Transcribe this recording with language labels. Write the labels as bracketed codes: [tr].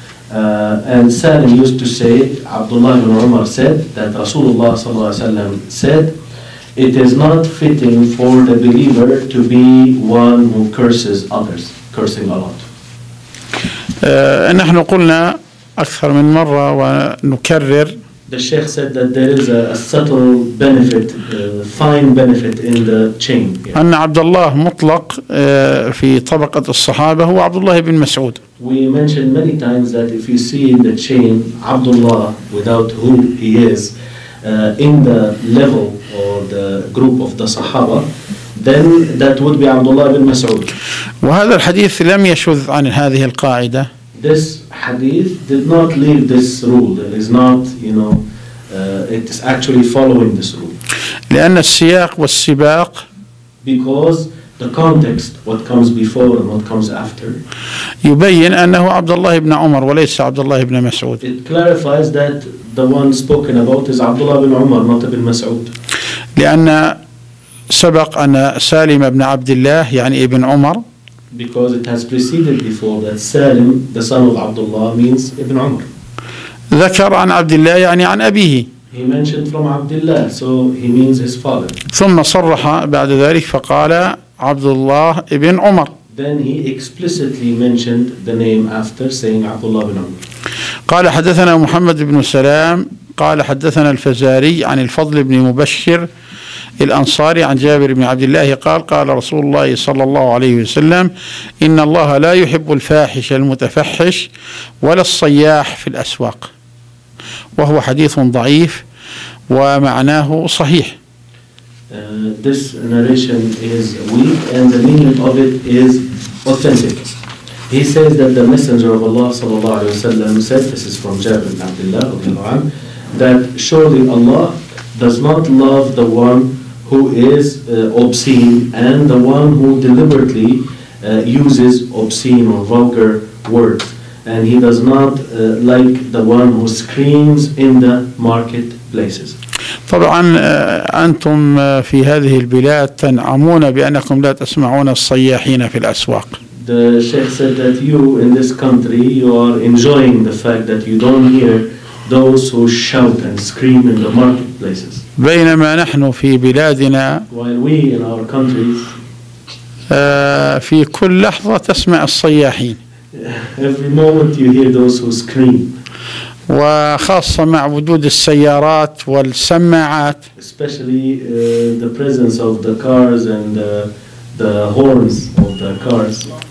[en] And Salim used to say, Abdullah ibn Umar said, that Rasulullah sallallahu alayhi wa sallam said, it is not fitting for the believer to be one who curses others, cursing a lot. [ar] نحن قلنا أكثر من مرة ونكرر. [en] The Sheikh said that there is a subtle benefit, fine benefit in the chain. [ar] أن عبد الله مطلق في طبقة الصحابة هو عبد الله بن مسعود. [en] We mentioned many times that if you see in the chain Abdullah without who he is in the level or the group of the Sahaba, then that would be Abdullah bin Mas'ud. [ar] وهذا الحديث لم يشذ عن هذه القاعدة. [en] This hadith did not leave this rule. It is not, you know, it is actually following this rule. [ar] لأن السياق والسباق. [en] Because the context, what comes before and what comes after. [ar] يبين أنه عبد الله بن عمر وليس عبد الله بن مسعود. [en] It clarifies that the one spoken about is Abdullah bin Umar, not Ibn Mas'ud. [ar] لأن سبق أن سالم بن عبد الله يعني ابن عمر. [en] Because it has preceded before that Salim, the son of Abdullah, means Ibn Umar. [ar] ذكر عن عبد الله يعني عن أبيه. [en] He mentioned from Abdullah, so he means his father. [ar] ثم صرح بعد ذلك فقال عبد الله ابن عمر. [en] Then he explicitly mentioned the name after saying Abdullah ibn Umar. [ar] قال حدثنا محمد بن سلام قال حدثنا الفزاري عن الفضل بن مبشر الأنصاري عن جابر بن عبد الله قال قال رسول الله صلى الله عليه وسلم إن الله لا يحب الفاحش المتفحش ولا الصياح في الأسواق، وهو حديث ضعيف ومعناه صحيح. [en] This narration is weak and the meaning of it is authentic. He says that the messenger of Allah صلى الله عليه وسلم said, this is from Jabir بن عبد الله رضي الله عنه, that surely Allah does not love the one who is obscene and the one who deliberately uses obscene or vulgar words, and he does not like the one who screams in the market places. [ar] طبعا أنتم في هذه البلاد تنعمون بأنكم لا تسمعون الصياحين في الأسواق. [en] The Sheikh said that you in this country you are enjoying the fact that you don't hear those who shout and scream in the marketplaces. [ar] بينما نحن في بلادنا [en] while we in our countries [ar] في كل لحظة تسمع الصياحين. [en] Every moment you hear those who scream. [ar] وخاصة مع وجود السيارات والسماعات. [en] Especially the presence of the cars and the horns of the cars.